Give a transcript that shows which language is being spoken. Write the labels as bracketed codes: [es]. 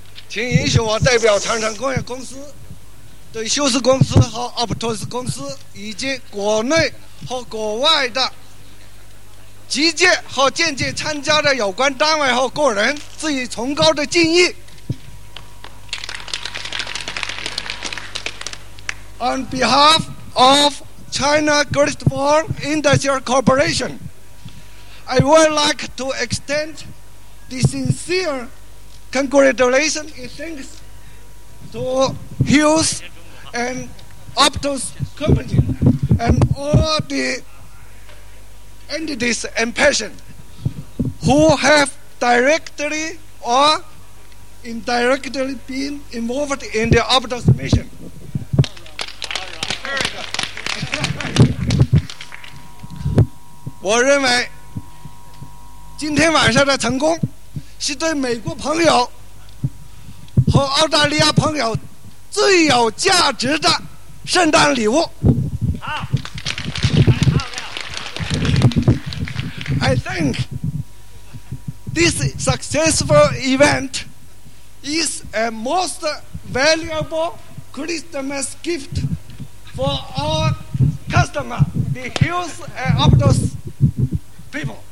[en] Please [zh] 允许我代表长城工业公司对休斯公司和奥普托斯公司以及国内和国外的直接和间接参加的有关单位和个人致以崇高的敬意。 [en] On behalf of China Great Wall Industrial Corporation, I would like to extend the sincere congratulations and thanks to Hughes and Optus Company and all the entities and patients who have directly or indirectly been involved in the Optus mission. [zh] 我认为今天晚上的成功是对美国朋友和澳大利亚朋友最有价值的圣诞礼物。好， [en] I think this successful event is a most valuable Christmas gift for our customer, the Hughes and OptusPeople.